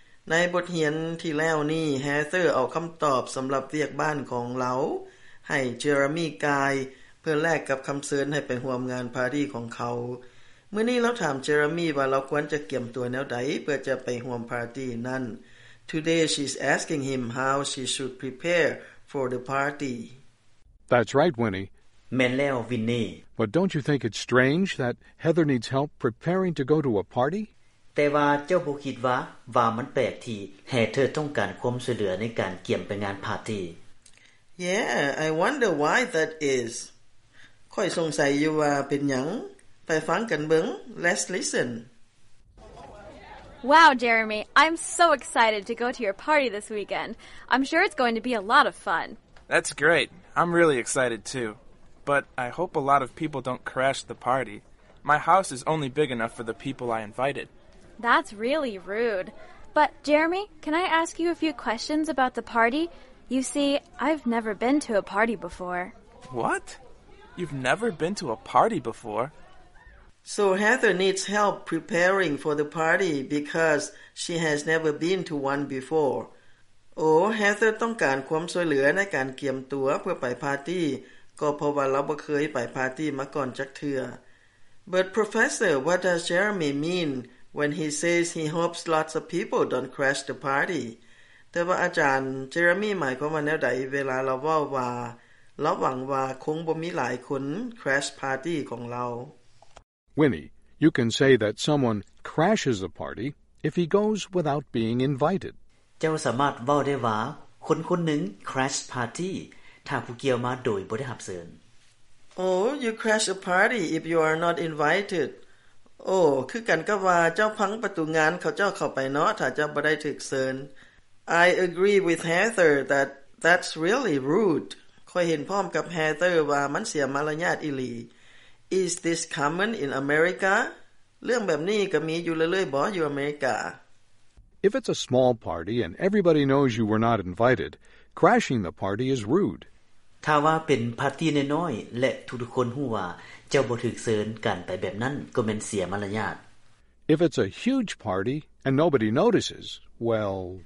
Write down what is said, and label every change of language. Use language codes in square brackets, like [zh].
[tts] ในบทเรียนที่แล้วนี่ Heather เอาคำตอบสำหรับเรียกบ้านของเราให้ Jeremy กายเพื่อแลกกับคำเชิญให้ไปร่วมงานปาร์ตี้ของเขาเมื่อนี้เราถาม Jeremy ว่าเราควรจะเตรียมตัวแนวใดเพื่อจะไปร่วมปาร์ตี้นั้น [en] Today she's asking him how she should prepare for the party That's right, Winnie. Menleo Winnie. But don't you think it's strange that Heather needs help preparing to go to a party? [tts] แต่ว่าเจ้าบ่คิดว่ามันแปลกที่แฮเธอร์ต้องการความช่วยเหลือในการเตรียมไปงานปาร์ตี้ [en] Yeah, I wonder why that is. [tts] ข้อยสงสัยอยู่ว่าเป็นหยังไปฟังกันเบิ่ง [en] Let's listen. Wow, Jeremy, I'm so excited to go to your party this weekend. I'm sure it's going to be a lot of fun. That's great. I'm really excited too, but I hope a lot of people don't crash the party. My house is only big enough for the people I invited. That's really rude. But Jeremy, can I ask you a few questions about the party? You see, I've never been to a party before. What? You've never been to a party before? So Heather needs help preparing for the party because she has never been to one before. [tts] โอ้เฮเธอร์ต้องการความช่วยเหลือในการเตรียมตัวเพื่อไปปาร์ตี้ก็เพราะว่าเราบ่เคยไปปาร์ตี้มาก่อนจักเทื่อ [en] But Professor, what does Jeremy mean when he says he hopes lots of people don't crash the party? [tts] แต่ว่าอาจารย์เจอร์มี่หมายความว่าแนวใดเวลาเราเว้าว่าเราหวังว่าคงบ่มีหลายคน crash party ของเรา [en] Winnie, you can say that someone crashes a party if he goes without being invited. [tts] เจ้าสามารถเว้าได้ว่าคนคนหนึ่ง crash party ถ้าผู้เกี่ยวมาโดยบ่ได้รับเชิญ [en] Oh, you crash a party if you are not invited. [tts] Oh, คือกันก็ว่าเจ้าพังประตูงานเขาเจ้าเข้าไปเนาะถ้าเจ้าบ่ได้ถูกเชิญ [en] I agree with Heather that's really rude. [tts] ข้อยเห็นพร้อมกับ Heather ว่ามันเสียมารยาทอีหลี [en] Is this common in America? [tts] เรื่องแบบนี้ก็มีอยู่เรื่อยๆบ่อยู่อเมริกา [en] If it's a small party and everybody knows you were not invited, crashing the party is rude. [tts] ถ้าว่าเป็นปาร์ตี้น้อยๆและทุกคนรู้ว่าเจ้าบ่ถูกเชิญกันไปแบบนั้นก็แม่นเสียมารยาท [en] If it's a huge party and nobody notices, well,